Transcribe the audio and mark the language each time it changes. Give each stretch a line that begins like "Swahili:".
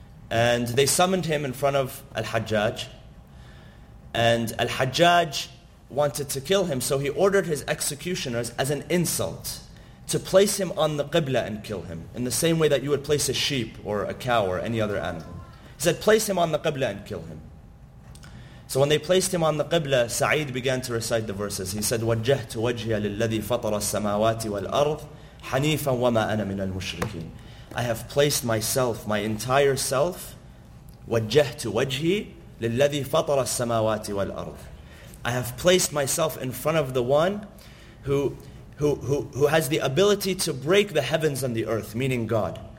English: And they summoned him in front of Al-Hajjaj. And Al-Hajjaj wanted to kill him, so he ordered his executioners, as an insult, to place him on the Qibla and kill him, in the same way that you would place a sheep or a cow or any other animal. He said, place him on the Qibla and kill him. So when they placed him on the Qibla, Sa'id began to recite the verses. He said,
Arabic: وَجَّهْتُ وَجْهِيَ لِلَّذِي فَطَرَ السَّمَاوَاتِ وَالْأَرْضِ حَنِيفًا وَمَا أَنَا مِنَ الْمُشْرِكِينَ.
English: I have placed myself, my entire self,
Arabic: وَجَّهْتُ وَجْهِي لِلَّذِي فَطَرَ السَّمَاوَاتِ وَالْأَرْضِ.
English: I have placed myself in front of the one who has the ability to break the heavens and the earth, meaning God.